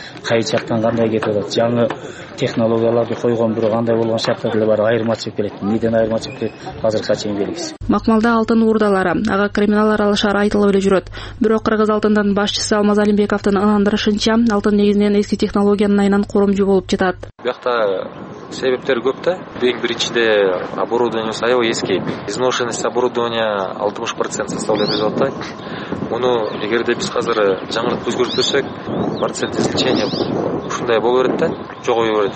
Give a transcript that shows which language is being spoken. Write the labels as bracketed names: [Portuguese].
[Kyrgyz] Кай жактан кандай кетип атат, жаңы технологияларды койгон, бирок андай болгон шарттар деле бар, айырмачылык келет. Эмнеден айырмачылык келет, азыркыга чейин белгисиз. Макмалда алтын урдалары, ага криминал аралашары айтылып эле жүрөт. Бирок кыргыз алтындын башчысы Алмаз Алимбековдун ынандырышынча, алтын негизинен эски технологиянын айынан коромжу болуп жатат. Бияқта себептер көп да. Эң биринчиде оборудование аябай эски. [Russian] Изношенность оборудования 60% составляет [Kyrgyz] деп жатат. Муну эгерде биз азыр жаңыртып өзгөртпөсөк, процент излечения ушундай боло берет да, жогоюп берет.